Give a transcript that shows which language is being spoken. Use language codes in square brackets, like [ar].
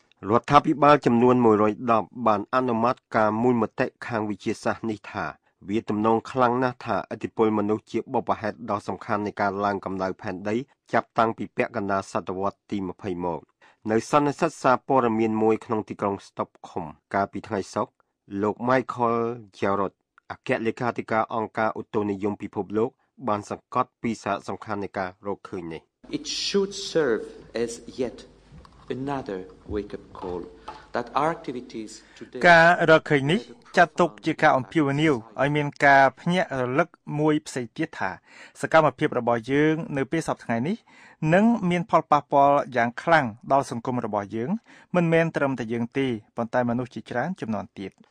[km] រដ្ឋាភិបាលចំនួន110បានអនុម័តការមួយមតិខាងវិទ្យាសាស្ត្រនេះថាវាទំនងខ្លាំងណាស់ថាឥទ្ធិពលមនុស្សជាបុព្វហេតុដ៏សំខាន់នៃការឡើងកម្ដៅផែនដីចាប់តាំងពីពាក់កណ្ដាលសតវត្សទី20មកនៅសន្និសីទសារព័ត៌មានមួយក្នុងទីក្រុង Stockholm កាលពីថ្ងៃសុក្រលោក Michael Jarrod អគ្គលេខាធិការអង្គការឧតុនិយមពិភពលោកបានសង្កត់ពីសារៈសំខាន់នៃការរកឃើញនេះ [en] It should serve as yetAnother wake-up call that our activities today. [km] ការរកឃើញនេះចាត់ទុកជាការអំពាវនាវឲ្យមានការភ្ញាក់រលឹកមួយផ្សេងទៀតថាសកម្មភាពរបស់យើងនៅពេលសប្តាហ៍ថ្ងៃនេះនឹងមានផលប៉ះពាល់យ៉ាងខ្លាំងដល់សង្គមរបស់យើងមិនមែនត្រឹមតែយើងទេប៉ុន្តែមនុស្សជាច្រើនចំនួនទៀត